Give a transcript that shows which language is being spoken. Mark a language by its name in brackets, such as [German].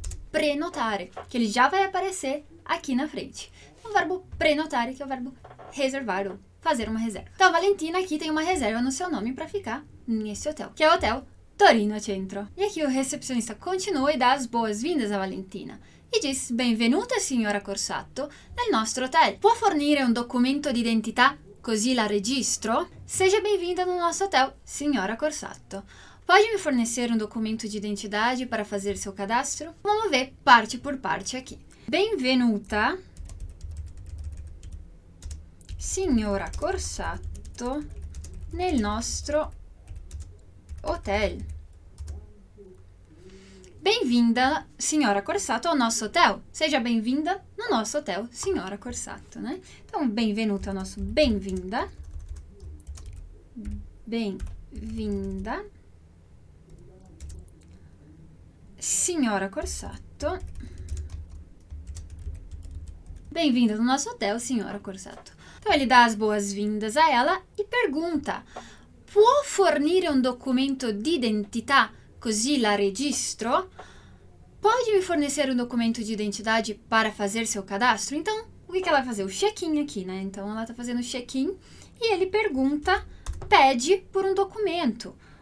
[Portuguese] Prenotare, que ele já vai aparecer aqui na frente. O verbo prenotare, que é o verbo reservar ou fazer uma reserva. Então, a Valentina aqui tem uma reserva no seu nome para ficar nesse hotel, que é o hotel Torino Centro. E aqui o recepcionista continua e dá as boas-vindas à Valentina. E diz, [Italian] benvenuta, signora Corsatto, nel nostro hotel. Può fornire un documento d'identità? Così la registro. [Portuguese] Seja bem-vinda no nosso hotel, senhora Corsatto. Pode me fornecer um documento de identidade para fazer seu cadastro? Vamos ver parte por parte aqui. [Italian] Benvenuta, senhora Corsatto, nel nostro hotel. [Portuguese] Bem-vinda, senhora Corsatto, ao nosso hotel. Seja bem-vinda no nosso hotel, senhora Corsatto, né? Então, bem-vindo ao nosso bem-vinda. Bem-vinda. Senhora Corsatto. Bem-vinda no nosso hotel, senhora Corsatto. Então, ele dá as boas-vindas a ela e pergunta. [Italian] Può fornire un documento d'identità così la registro? [Portuguese] Pode me fornecer um documento de identidade para fazer seu cadastro? Então, o que ela vai fazer? O check-in aqui, né? Então, ela está fazendo o check-in e ele pergunta, pede por um documento.